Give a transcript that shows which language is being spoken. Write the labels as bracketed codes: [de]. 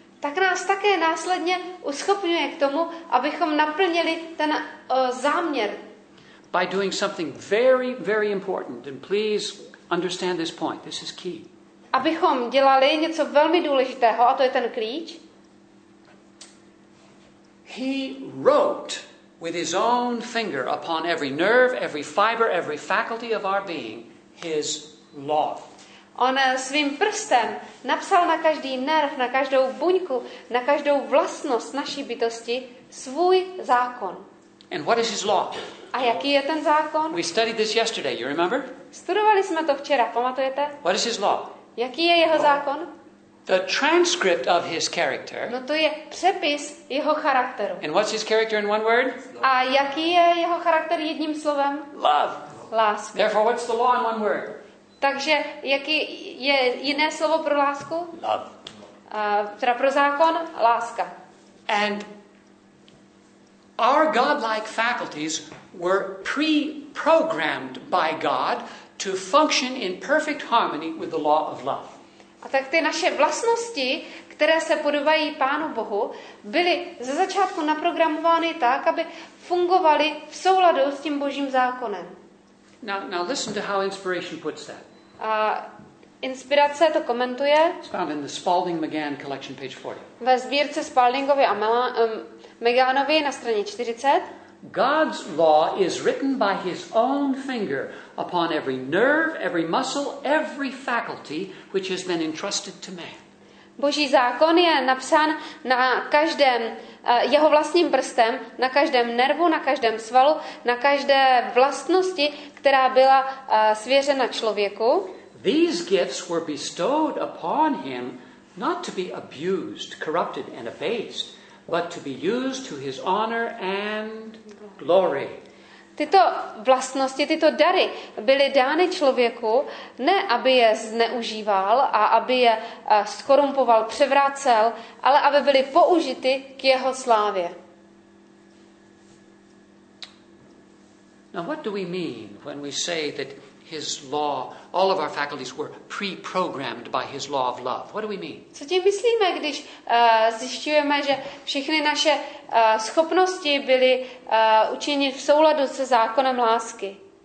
[cs] tak nás také následně uschopňuje k tomu, abychom naplnili ten záměr. [en] By doing something very, very important, and please understand this point, this is key. [cs] Abychom dělali něco velmi důležitého, a to je ten klíč. [en] He wrote with his own finger upon every nerve, every fiber, every faculty of our being his law. [cs] On svým prstem napsal na každý nerv, na každou buňku, na každou vlastnost naší bytosti svůj zákon. [en] And what is his law? [cs] A jaký je ten zákon? [en] We studied this yesterday, you remember? [cs] Studovali jsme to včera, pamatujete? [en] What is his law? [cs] Jaký je jeho zákon? [en] The transcript of his character. [cs] No to je přepis jeho charakteru. [en] And what's his character in one word? [cs] A jaký je jeho charakter jedním slovem? [en] Love. [cs] Láska. [en] Therefore, what's the law in one word? [cs] Takže jaký je jiné slovo pro lásku? [en] Love. [cs] Teda pro zákon, láska. [en] And our godlike faculties were pre-programmed by God to function in perfect harmony with the law of love. [cs] A tak ty naše vlastnosti, které se podobají Pánu Bohu, byly ze začátku naprogramovány tak, aby fungovaly v souladu s tím Božím zákonem. [en] Now listen to how inspiration puts that. [cs] A inspirace to komentuje. [en] It's found in the Spalding McGann collection, page 40. [cs] Ve sbírce Spaldingovi a McGannovi na straně 40. [en] God's law is written by his own finger upon every nerve, every muscle, every faculty which has been entrusted to man. [cs] Boží zákon je napsán na každém jeho vlastním prstem, na každém nervu, na každém svalu, na každé vlastnosti, která byla svěřena člověku. [en] These gifts were bestowed upon him not to be abused, corrupted and abased, but to be used to his honor and glory. [cs] Tyto vlastnosti, tyto dary byly dány člověku ne, aby je zneužíval a aby je skorumpoval, převrácel, ale aby byly použity k jeho slávě. [en] Now what do we mean when we say that his law, all of our faculties were pre-programmed by his law of love? What do we mean? [cs] Co tím myslíme, když zjišťujeme, že všechny naše schopnosti byly učiněny v souladu se zákonem lásky?